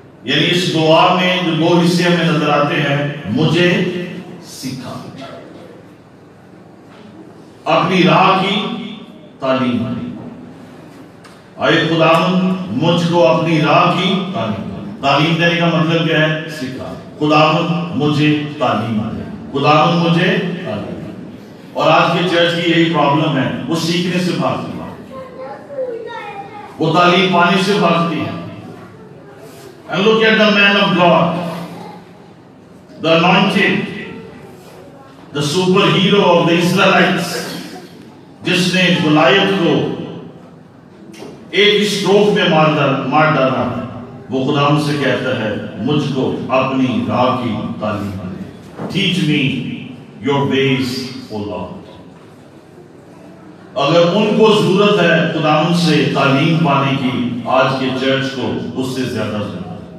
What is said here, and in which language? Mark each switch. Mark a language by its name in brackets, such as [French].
[Urdu] یعنی اس دعا میں جو دو حصے ہمیں نظر آتے ہیں, مجھے سکھا اپنی راہ کی تعلیم والی, اے خدا مجھ کو اپنی راہ کی تعلیم والی. تعلیم دینے کا مطلب کیا ہے؟ سکھا. خدا مجھے تعلیم والی, خدا مجھے تعلیم والی. اور آج کے چرچ کی یہی پرابلم ہے, وہ سیکھنے سے بھاگتی ہے, وہ تعلیم پانے سے بھاگتی ہے. [English] And look at the man of God, the anointed, the superhero of the Israelites, [Urdu] جس نے گولیاتھ کو ایک اسٹروک میں مار ڈالا. وہ خدا سے کہتا ہے, مجھ کو اپنی راہ کی تعلیم دے. [English] Teach me your ways, O Lord. [Urdu] اگر ان کو ضرورت ہے خدا سے تعلیم پانے کی, آج کے چرچ کو اس سے زیادہ ضرورت.